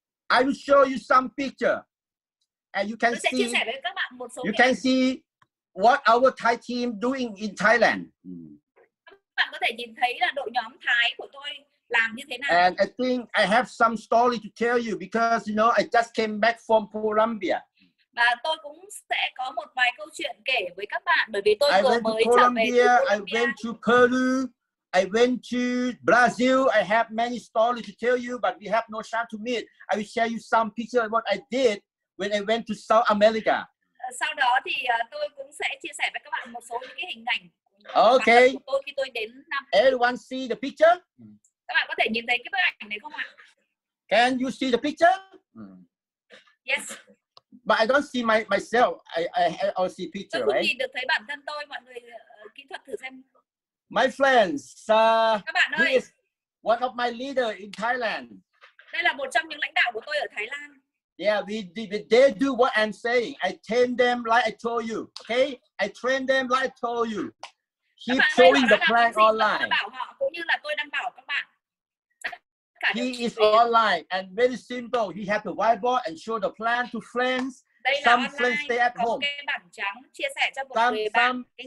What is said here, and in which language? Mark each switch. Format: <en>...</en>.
<en>I will show you some picture, and you can see. You can see what our Thai team doing in Thailand.</en> <vi>Các bạn có thể nhìn thấy là đội nhóm Thái của tôi làm như thế nào.</vi> <en>And I think I have some story to tell you because you know I just came back from Colombia.</en> <vi>Và tôi cũng sẽ có một vài câu chuyện kể với các bạn bởi vì tôi vừa mới trở về Colombia.</vi> <en>I went to Peru. I went to Brazil. I have many stories to tell you, but we have no time to meet. I will share you some pictures of what I did when I went to South America.</en> <vi>Sau đó thì tôi cũng sẽ chia sẻ với các bạn một số những cái hình ảnh.</vi> <en>Okay.</en> <vi>Tôi khi tôi đến Nam.</vi> <en>Everyone see the picture?</en> <vi>Các bạn có thể nhìn thấy cái bức ảnh này không ạ?</vi> <en>Can you see the picture? Yes. But I don't see myself. I don't see picture, right?</en> <vi>Tôi không</vi> <en>right?</en> <vi>nhìn được thấy bản thân tôi. Mọi người kỹ thuật thử xem.</vi> <en>My friends,</en> <vi>các bạn ơi,</vi> <en>he is one of my leader in Thailand.</en> <vi>Đây là một trong những lãnh đạo của tôi ở Thái Lan.</vi> <en>Yeah, they do what I'm saying. I train them like I told you, okay? I train them like I told you. Keep showing the plan online.</en> <vi>Bảo họ cũng như là tôi đang bảo các bạn.</vi> <en>He is online and very simple. He have the whiteboard and show the plan to friends.</en> <vi>Đây là</vi> <en>some friends stay at home.</en> <vi>Cái bảng trắng chia sẻ cho một người bạn.</vi>